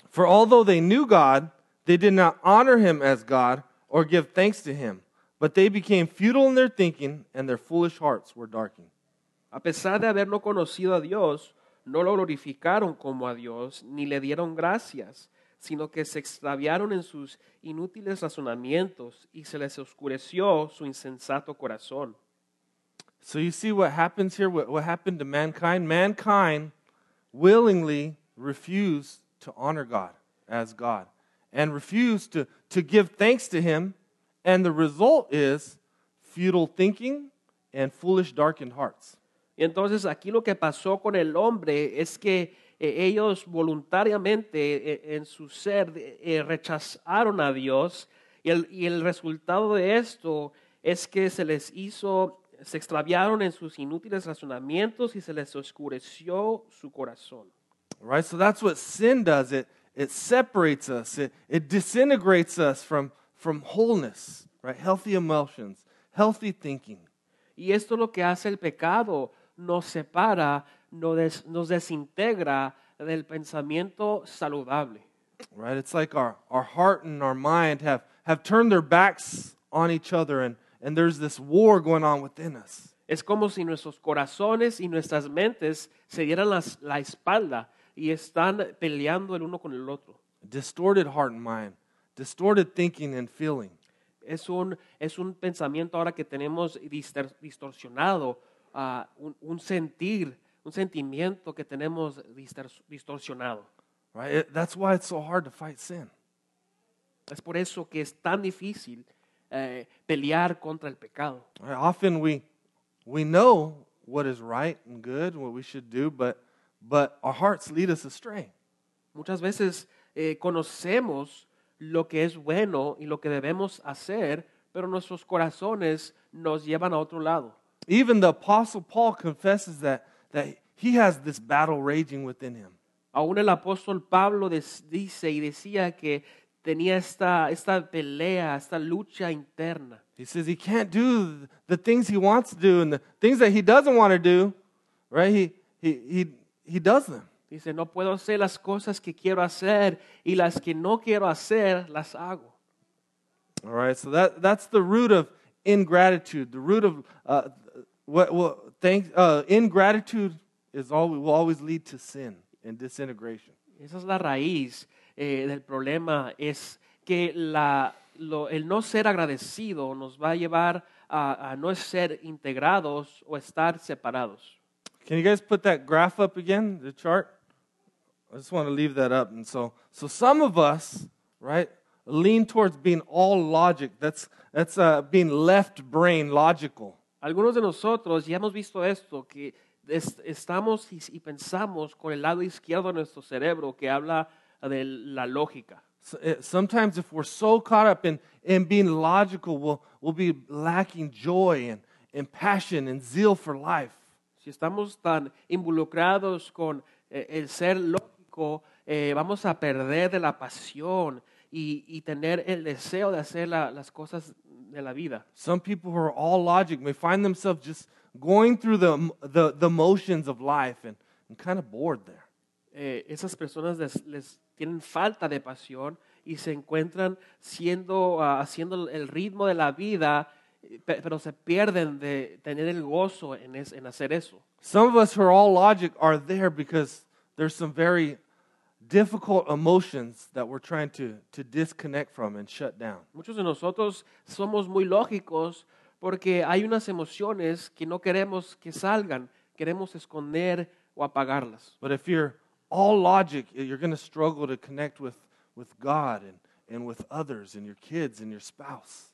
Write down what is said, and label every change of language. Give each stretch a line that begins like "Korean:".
English: For although they knew God, they did not honor him as God, or give thanks to him, but they became futile in their thinking, and their foolish hearts were darkened.
Spanish: A pesar de haberlo conocido a Dios, no lo glorificaron como a Dios, ni le dieron gracias, sino que se extraviaron en sus inútiles razonamientos, y se les oscureció su insensato corazón.
English: So you see what happens here, what happened to mankind? Mankind willingly refused to honor God as God. And refuse to give thanks to him, and the result is futile thinking and foolish darkened hearts.
Spanish: Entonces aquí lo que pasó con el hombre es que ellos voluntariamente en su ser rechazaron a Dios, y el resultado de esto es que se extraviaron en sus inútiles razonamientos y se les oscureció su corazón.
English: Right, so that's what sin does. It separates us. It disintegrates us from wholeness, right? Healthy emotions, healthy thinking.
Spanish: Y esto es lo que hace el pecado. Nos separa, nos desintegra del pensamiento saludable.
English: Right? It's like our heart and our mind have turned their backs on each other, and there's this war going on within us.
Spanish: Es como si nuestros corazones y nuestras mentes se dieran la espalda. Y están peleando el uno con el otro.
English: Distorted heart and mind. Distorted thinking and feeling.
Spanish: Es un pensamiento ahora que tenemos distorsionado. Un sentimiento que tenemos distorsionado.
English: Right? That's why it's so hard to fight sin.
Spanish: Es por eso que es tan difícil pelear contra el pecado.
English: Right? Often we know what is right and good, what we should do, but our hearts lead us astray.
Spanish: Muchas veces conocemos lo que es bueno y lo que debemos hacer, pero nuestros corazones nos llevan a otro lado.
English: Even the apostle Paul confesses that he has this battle raging within him.
Spanish: Aún el apóstol Pablo dice y decía que tenía esta pelea, esta lucha interna.
English: He says he can't do the things he wants to do and the things that he doesn't want to do, right? He does them.
Spanish: Dice, no puedo hacer las cosas que quiero hacer y las que no quiero hacer, las hago.
English: All right, so that's the root of ingratitude, the root of what ingratitude is always, will always lead to sin and disintegration.
Spanish: Esa es la raíz del problema, es que el no ser agradecido nos va a llevar a no ser integrados o estar separados.
English: Can you guys put that graph up again, the chart? I just want to leave that up. And so some of us, right, lean towards being all logic. That's being left brain logical.
Spanish: Algunos de nosotros ya hemos visto esto, que estamos y pensamos con el lado izquierdo de nuestro cerebro que habla de la lógica.
English: Sometimes if we're so caught up in being logical, we'll be lacking joy and passion and zeal for life.
Spanish: Si estamos tan involucrados con el ser lógico, vamos a perder de la pasión y tener el deseo de hacer las cosas de la vida.
English: Some people who are all logic may find themselves just going through the motions of life and kind of bored there.
Spanish: Esas personas les tienen falta de pasión y se encuentran haciendo el ritmo de la vida, pero se pierden de tener el gozo en hacer eso.
English: Some of us who are all logic are there because there's some very difficult emotions that we're trying to disconnect from and shut down.
Spanish: Muchos de nosotros somos muy lógicos porque hay unas emociones que no queremos que salgan, queremos esconder o apagarlas.
English: But if you're all logic, you're going to struggle to connect with God and with others and your kids and your spouse.